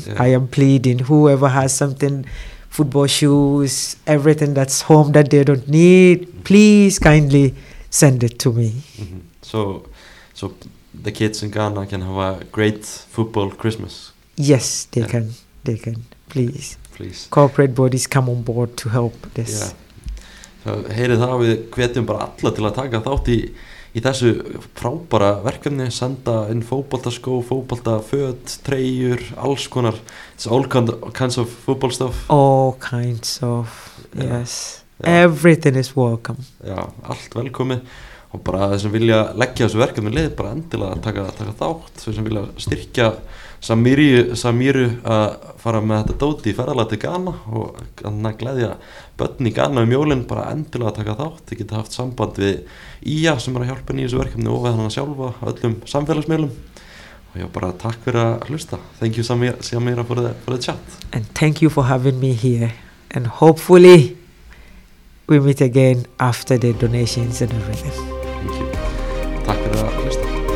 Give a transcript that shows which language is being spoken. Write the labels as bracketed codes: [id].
[en] Yeah. I am pleading, whoever has something, football shoes, everything that's home that they don't need, please kindly send it to me. Mm-hmm. So the kids in Ghana can have a great football Christmas. Yes, they can. They can. Please. Corporate bodies, come on board to help this. [is] Já. Heyrið það, við hvetjum bara alla til að taka þátt í þessu frábæra verkefni, senda inn fótboltaskó, fótboltaföt, treyjur, alls konar. [en] It's all kinds of football stuff. All kinds of, yes. Yeah. Everything is welcome. [is] Já, allt velkomið. Og bara þeir sem vilja leggja þessu verkefni lið, bara endilega taka þátt. Þeir sem vilja styrkja Samíru að fara með þetta dóti í ferðalega til Ghana og þannig að gleðja börn í Ghana um jólin, bara endilega taka þátt. Þið geta haft samband við Ía sem að hjálpa í þessu verkefni og við hann að sjálfa öllum samfélagsmiðlum. Og já, bara takk fyrir að hlusta. [en] Thank you, Samíra, for the chat. And thank you for having me here. And hopefully we meet again after the donations and everything. Thank you. [is] Takk fyrir að hlusta.